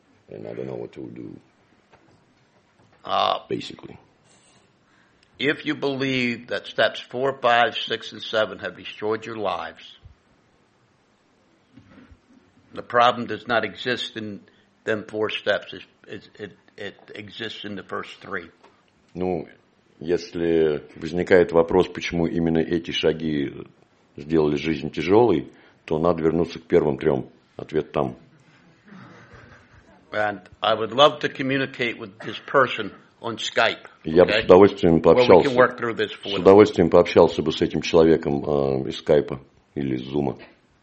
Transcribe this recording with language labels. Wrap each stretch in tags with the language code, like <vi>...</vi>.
<en>And I don't know what to do, basically. If you believe that steps 4, 5, 6, and 7 have destroyed your lives, the problem does not exist in them four steps. It exists in the first three.</en> <ru>Ну, если возникает вопрос, почему именно эти шаги сделали жизнь тяжелой, то надо вернуться к первым трем. Ответ там.</ru> <en>And I would love to communicate with this person on Skype.</en> <ru>Okay? Я бы с удовольствием пообщался.</ru> <en>Well, we can work through this for</en> <ru>с удовольствием пообщался бы с этим человеком из Skype или из Zoom.</ru>